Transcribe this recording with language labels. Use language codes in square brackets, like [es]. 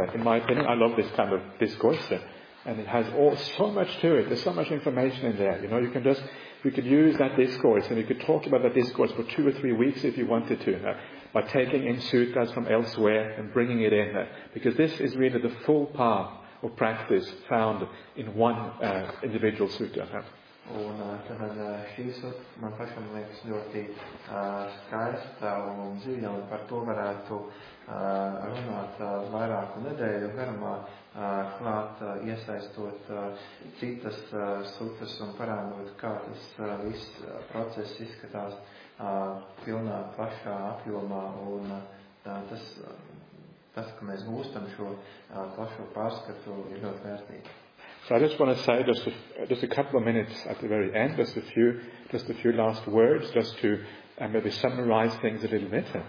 [en] In my opinion, I love this kind of discourse. And it has all so much to it, there's so much information in there. You know, you could use that discourse and you could talk about that discourse for 2 or 3 weeks if you wanted to, by taking in suttas from elsewhere and bringing it in. Because this is really the full path of practice found in one individual sutta. [lv] Un tad šī sutra man pašam liekas ļoti skaista un dziļa, un par to varētu runāt vairāku nedēļu garumā, klāt iesaistot citas sutras un parādot, kā tas viss process izskatās pilnā plašā apjomā, un tas, ka mēs gūstam šo plašo pārskatu, ir ļoti vērtīgi. [en] So I just want to say just a couple of minutes at the very end, just a few last words, just to maybe summarize things a little bit.